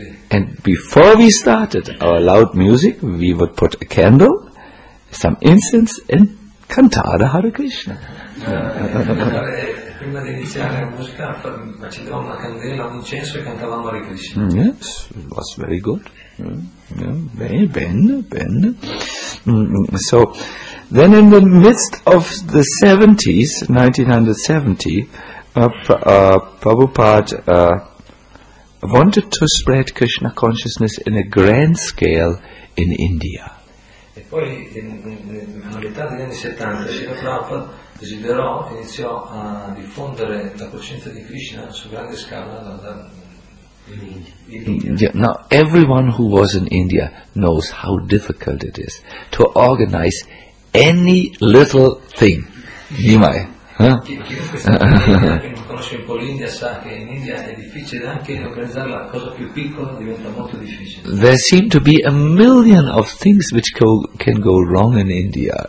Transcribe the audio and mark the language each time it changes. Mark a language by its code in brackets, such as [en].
[en] And before we started our loud music, we would put a candle, some incense, and [it] cantare [en] Hare Krishna. [it] Prima di iniziare la musica accendevamo una candela, un incenso e cantavamo Hare Krishna. [en] Yes, it was very good. Ben. So, then in the midst of the 70s, 1970, Prabhupada wanted to spread Krishna consciousness in a grand scale in India. [it] E poi, nell'età degli anni 70, Srila Prabhupada desiderò, iniziò a diffondere la coscienza di Krishna su grande scala India. [en] Now, everyone who was in India knows how difficult it is to organize any little thing. Nimai. There seem to be a million of things which can go wrong in India.